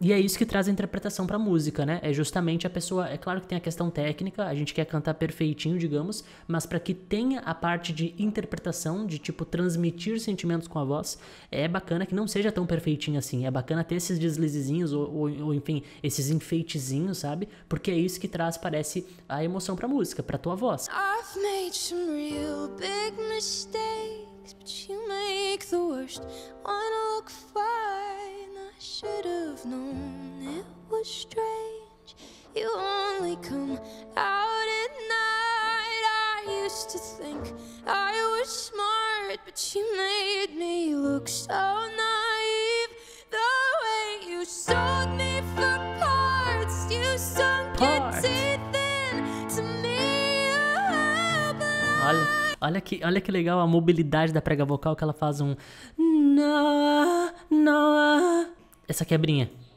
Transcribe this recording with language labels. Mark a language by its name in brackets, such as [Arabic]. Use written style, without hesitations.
[Portuguese] E é isso que traz a interpretação pra música, né? É justamente a pessoa, é claro que tem a questão técnica, a gente quer cantar perfeitinho, digamos, mas pra que tenha a parte de interpretação, de tipo, transmitir sentimentos com a voz, é bacana que não seja tão perfeitinho assim, é bacana ter esses deslizezinhos, ou enfim, esses enfeitezinhos, sabe? Porque é isso que traz, parece, a emoção pra música, pra tua voz. [English] I've made some real big mistakes, but you make the worst one look fine. I should have known it was strange. You only come out at night. I used to think I was smart, but you made me look so naive. The way you sold me for parts, you sunk your teeth in to me. [Portuguese] Olha que legal a mobilidade da prega vocal, que ela faz um na na essa quebrinha.